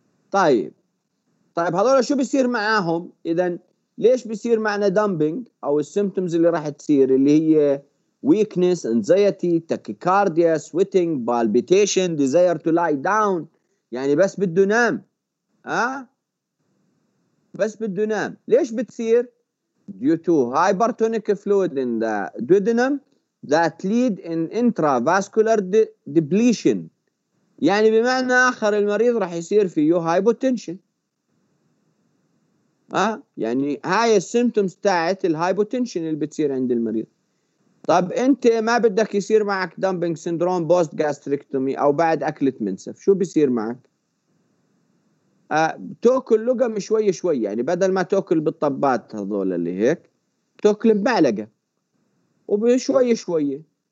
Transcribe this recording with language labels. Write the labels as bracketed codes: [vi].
[ar] طيب طيب هذول شو بيصير معاهم اذا؟ ليش بيصير معنا دمبنج او السيمتومز اللي راح تصير اللي هي [en] weakness, anxiety, tachycardia, sweating, palpitation, desire to lie down, [ar] يعني بس بده نام. ها بس بده نام. ليش بتصير؟ [en] due to hypertonic fluid in the duodenum that lead in intravascular depletion. [ar] يعني بمعنى اخر المريض راح يصير فيه hypotension. ها يعني هاي السيمتومز تاعت الهايبوتنشن اللي بتصير عند المريض. طب انت ما بدك يصير معك دامبنج سيندروم بوست جاستريكتومي او بعد اكله منسف، شو بيصير معك؟ تاكل لقم شوي شوي، يعني بدل ما تاكل بالطبات هذول اللي هيك تاكل بمعلقه وبشوي شوي.